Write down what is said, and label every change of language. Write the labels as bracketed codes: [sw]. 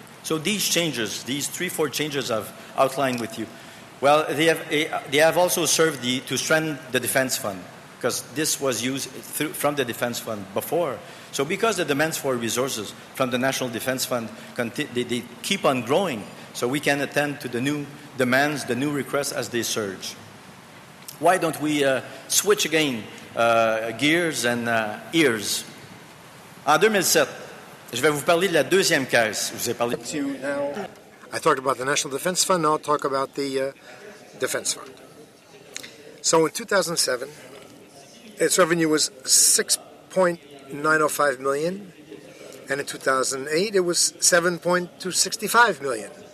[en] So these changes, these three, four changes I've outlined with you, well, they have also served to strengthen the defense fund, because this was used from the defense fund before. So because the demands for resources from the National Defense Fund, they keep on growing, so we can attend to the new demands, the new requests as they surge. Why don't we switch again gears and ears? [fr] En 2007, je vais vous parler de la deuxième caisse. Je vous ai parlé [en] to you now. I talked about the National Defense Fund, now I'll talk about the Defense Fund. So in 2007, its revenue was $6.905 million, and in 2008, it was $7.265 million.